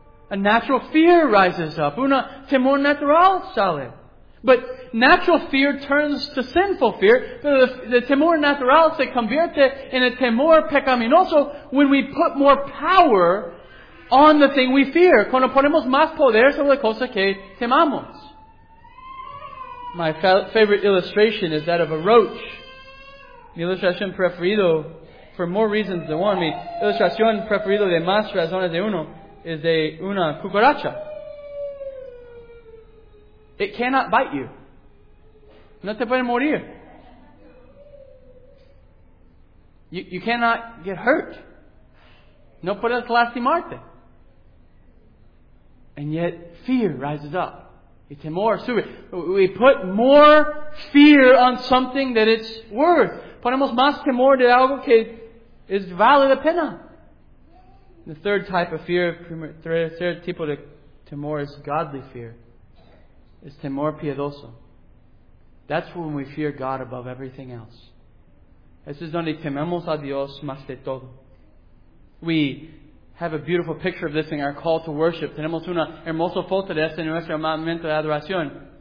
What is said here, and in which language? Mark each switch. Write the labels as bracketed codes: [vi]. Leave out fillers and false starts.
[en] A natural fear rises up. [es] Una temor natural sale. [en] But natural fear turns to sinful fear. The [es] temor natural se convierte en el temor pecaminoso [en] when we put more power on the thing we fear. [es] Cuando ponemos más poder sobre la cosa que temamos. [en] My favorite illustration is that of a roach. [es] Mi ilustración preferido, [en] for more reasons than one, [es] mi ilustración preferido de más razones de uno, is de una cucaracha. [en] It cannot bite you. [es] No te puede morir. [en] You cannot get hurt. [es] No puedes lastimarte. [en] And yet, fear rises up. [es] Y temor sube. [en] We put more fear on something that it's worth. [es] Ponemos más temor de algo que es vale la pena. [en] The third type of fear, third [es] tipo de temor [en] is godly fear. It's [es] temor piadoso. [en] That's when we fear God above everything else. [es] Eso es donde tememos a Dios más de todo. [en] We have a beautiful picture of this in our call to worship. [es] Tenemos una hermosa foto de esto en nuestro momento de adoración.